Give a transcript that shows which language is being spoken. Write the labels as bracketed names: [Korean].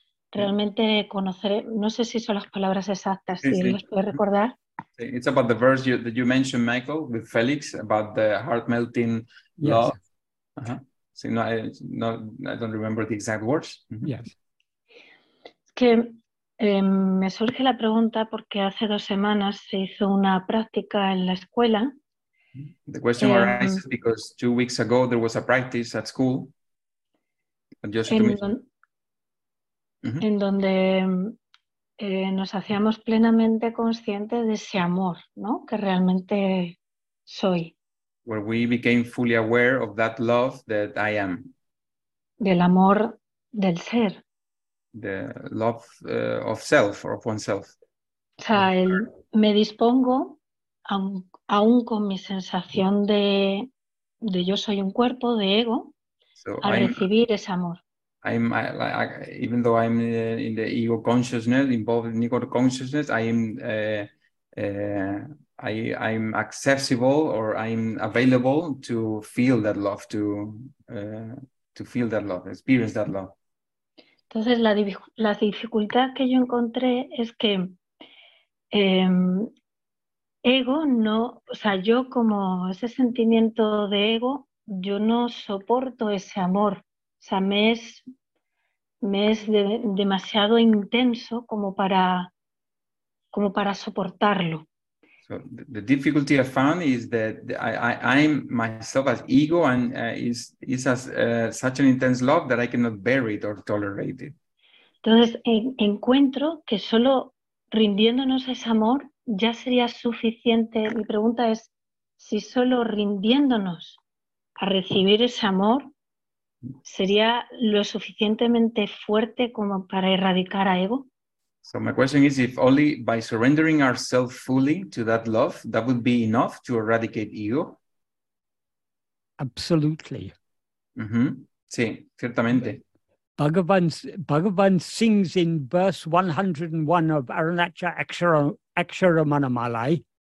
[Spanish] Realmente conocer, no sé si son las palabras exactas, si las puedo recordar. [English] It's about the verse that you mentioned, Michael, with Félix, about the heart melting love. Yes. Uh-huh. So I don't remember the exact words. Mm-hmm. Yes. [Spanish] Es que me surge la pregunta porque hace dos semanas se hizo una práctica en la escuela. [English] The question arises because 2 weeks ago there was a practice at school. [Spanish] En donde nos hacíamos plenamente conscientes de ese amor, ¿no? Que realmente soy. [English] Where we became fully aware of that love that I am. [Spanish] Del amor del ser. [English] The love of self, or of oneself. [Spanish] O sea, me dispongo, aún con mi sensación de yo soy un cuerpo, de ego, recibir ese amor. [English] Even though I'm in the ego consciousness, involved in ego consciousness, I'm accessible, or I'm available to feel that love, to feel that love, experience that love. [Spanish] Entonces la dificultad que yo encontré es que ego no, o sea, yo como ese sentimiento de ego, yo no soporto ese amor, o sea, me es demasiado intenso como para soportarlo. [English] So the difficulty I found is that I'm myself as ego, and is as such an intense love that I cannot bear it or tolerate it. [Spanish] Entonces encuentro que solo rindiéndonos a ese amor ya sería suficiente. Mi pregunta es si solo rindiéndonos a recibir ese amor sería lo suficientemente fuerte como para erradicar a ego. [English] So my question is, if only by surrendering ourselves fully to that love, that would be enough to eradicate ego? Absolutely. [Spanish] Mm-hmm. Sí, ciertamente. [English] Bhagavan sings in verse 101 of Arunacha Aksharamanamalai.